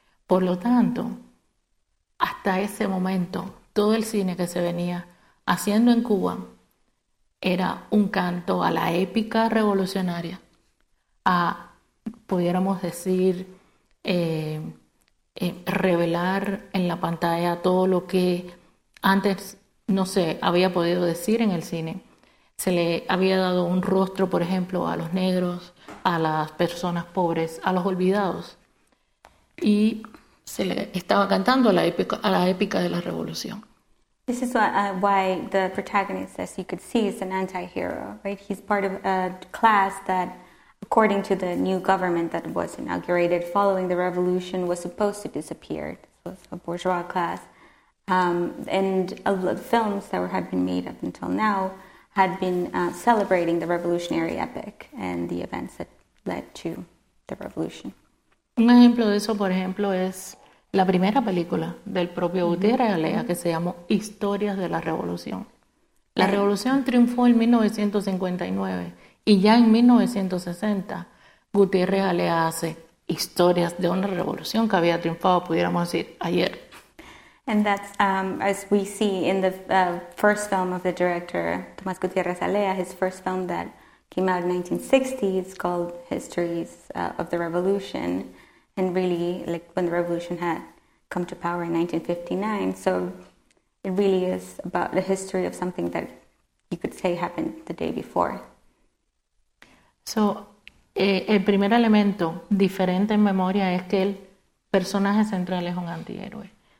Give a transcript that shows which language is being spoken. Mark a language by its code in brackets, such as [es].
[es] Por lo tanto, hasta ese momento, todo el cine que se venía haciendo en Cuba era un canto a la épica revolucionaria, a, pudiéramos decir, revelar en la pantalla todo lo que antes no se había podido decir en el cine. Se le había dado un rostro, por ejemplo, a los negros, a las personas pobres, a los olvidados. Y se le estaba cantando a la épica de la revolución. [en] This is why the protagonist, as you could see, is an anti-hero, right? He's part of a class that, according to the new government that was inaugurated following the revolution, was supposed to disappear. It was a bourgeois class. And a lot of films that had been made up until now had been celebrating the revolutionary epic and the events that led to the revolution. [es] Un ejemplo de eso, por ejemplo, es la primera película del propio Gutiérrez Alea, que se llamó Historias de la Revolución. La revolución triunfó en 1959, y ya en 1960 Gutiérrez Alea hace Historias de una Revolución que había triunfado, pudiéramos decir, ayer. [en] And that's, as we see in the first film of the director, Tomás Gutiérrez Alea, his first film that came out in 1960, it's called Histories of the Revolution, and really, like, when the revolution had come to power in 1959, so it really is about the history of something that you could say happened the day before. [es] So, el primer elemento diferente en memoria es que el personaje central es un antihéroe.